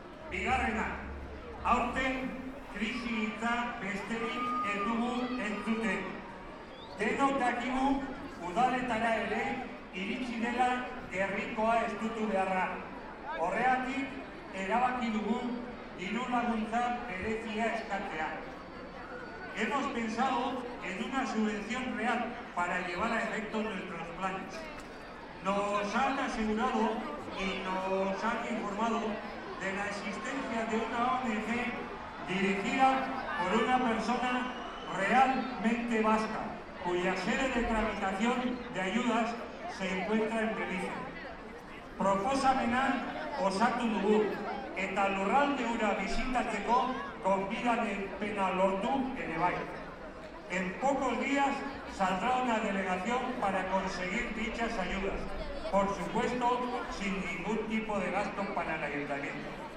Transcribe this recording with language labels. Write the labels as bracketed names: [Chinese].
[Basque] Bigarrena, aurten krisi hitza besterik ez dugu entzuten. Denok dakigu udaletara ere iritsi dela gerrikoa estutu beharra. Horregatik erabaki dugu diru laguntza berezia eskatzea. [Spanish] Hemos pensado en una subvención real para llevar a efecto nuestros planes. Nos han asegurado y nos han informado de la existencia de una ONG dirigida por una persona realmente vasca, cuya sede de tramitación de ayudas se encuentra en Belice. [Basque] Proposamena osatu dugu, eta lurralde hura bizitatzeko konbidaren pena lortu ere bai. [Spanish] En pocos días saldrá una delegación para conseguir dichas ayudas, por supuesto, sin ningún tipo de gasto para el ayuntamiento.